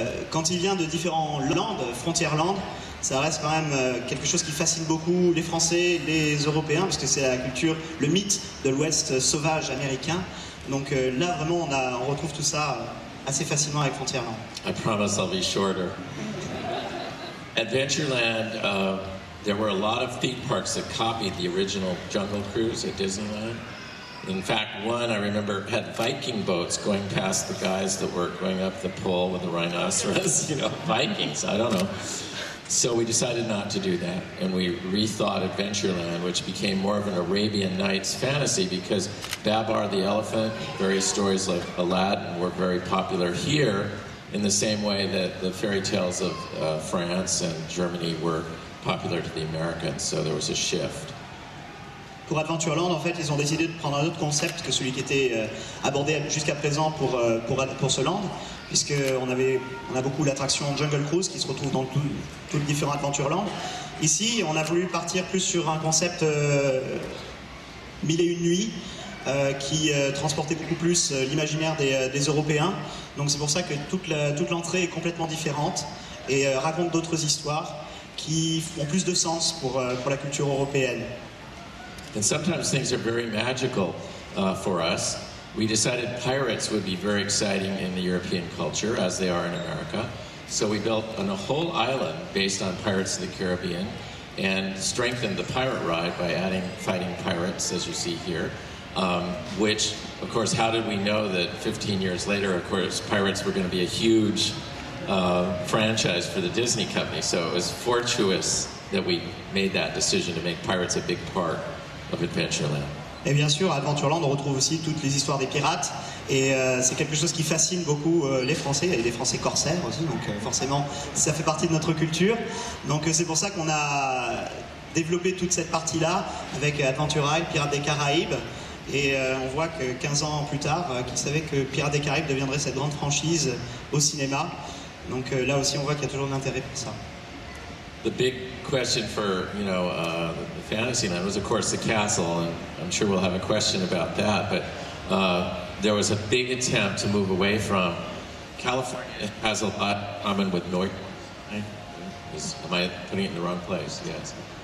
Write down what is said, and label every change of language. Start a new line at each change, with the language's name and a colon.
French: Quand il vient de différents landes, frontières landes, ça reste quand même quelque chose qui fascine beaucoup les Français, les Européens, puisque c'est la culture, le mythe de l'Ouest sauvage américain. Donc là, vraiment, on retrouve tout ça assez facilement avec Frontierland.
English: I promise I'll be shorter. Adventureland, there were a lot of theme parks that copied the original Jungle Cruise at Disneyland. In fact, one, I remember, had Viking boats going past the guys that were going up the pole with the rhinoceros. You know, Vikings, I don't know. So we decided not to do that, and we rethought Adventureland, which became more of an Arabian Nights fantasy because Babar the Elephant, various stories like Aladdin, were very popular here in the same way that the fairy tales of France and Germany were popular to the Americans, so there was a shift.
French: Pour Adventureland, en fait, ils ont décidé de prendre un autre concept que celui qui était abordé jusqu'à présent pour ce land, puisqu'on on a beaucoup l'attraction Jungle Cruise qui se retrouve dans tous les différents Adventureland. Ici, on a voulu partir plus sur un concept mille et une nuits qui transportait beaucoup plus l'imaginaire des Européens. Donc c'est pour ça que toute l'entrée est complètement différente et raconte d'autres histoires qui ont plus de sens pour la culture européenne.
English: And sometimes things are very magical for us. We decided pirates would be very exciting in the European culture, as they are in America. So we built a whole island based on Pirates of the Caribbean and strengthened the pirate ride by adding fighting pirates, as you see here. Which, of course, how did we know that 15 years later, of course, pirates were going to be a huge franchise for the Disney company? So it was fortuitous that we made that decision to make pirates a big part of Adventureland. Et bien sûr, à Adventureland, on retrouve aussi toutes les histoires des pirates. Et c'est quelque chose qui fascine beaucoup les Français, et les Français corsaires aussi. Donc forcément, ça fait partie de notre culture. Donc c'est pour ça qu'on a développé toute cette partie-là avec Adventure Isle, Pirates des Caraïbes. Et on voit que 15 ans plus tard, qui savait que Pirates des Caraïbes deviendrait cette grande franchise au cinéma. Donc là aussi, on voit qu'il y a toujours de l'intérêt pour ça. The big question for, you know, the Fantasyland was, of course, the castle, and I'm sure we'll have a question about that, but there was a big attempt to move away from... California has a lot in common with North... Am I putting it in the wrong place? Yes.